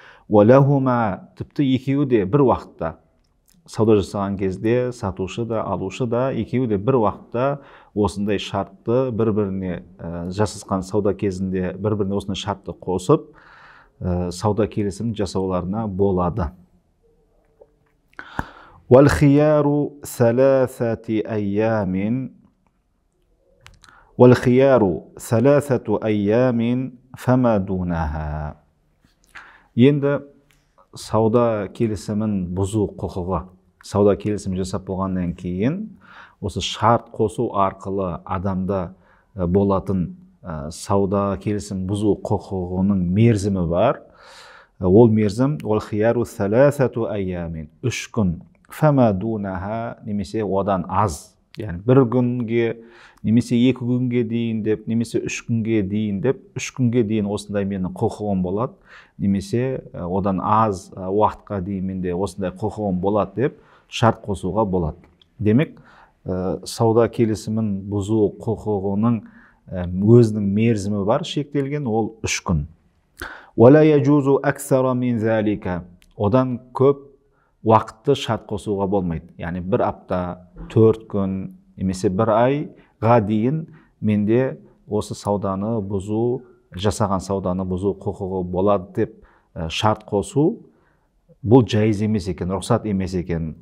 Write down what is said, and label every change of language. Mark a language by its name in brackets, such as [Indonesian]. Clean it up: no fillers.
[Arabic] Уәләхума, [Kazakh] тіпті екеуі де бір уақытта. Сауда жасаған кезде сатушы да, алушы да, екеуі де бір уақытта осындай шартты бір-біріне жасасқан сауда кезінде бір-біріне осындай шартты қосып сауда келісімін жасауларына болады. [Arabic] والخيار ثلاثة أيام والخيار ثلاثة أيام فما دونها. [Kazakh] Енді сауда келісімін бұзу құқығы. Сауда келісімі жасап болғаннан кейін осы шарт қосу арқылы адамда болатын сауда келісімін бұзу құқығының мерзімі бар. Ол мерзім ол [Arabic] хияру саласату айямин. [Kazakh] 3 күн. [Arabic] Фама дунаха [Kazakh] немесе одан аз. Яғни бір күнге немесе 2 күнге дейін деп, немесе 3 күнге дейін деп, 3 күнге дейін осындай менің құқығым болады, немесе одан аз уақытқа дейін менде осындай құқығым болады деп шарт қосуға болады. Демек, сауда келісімін бұзу құқығының өзінің мерзімі бар, шектелген, ол 3 күн. [Arabic] Уала яджузу аксара мин залика. [Kazakh] Одан көп уақытты шарт қосуға болмайды. Яғни бір апта, 4 күн немесе бір айға дейін менде осы сауданы бұзу, жасаған сауданы бұзу құқығы болады деп шарт қосу бұл жайыз емес екен, рұқсат емес екен.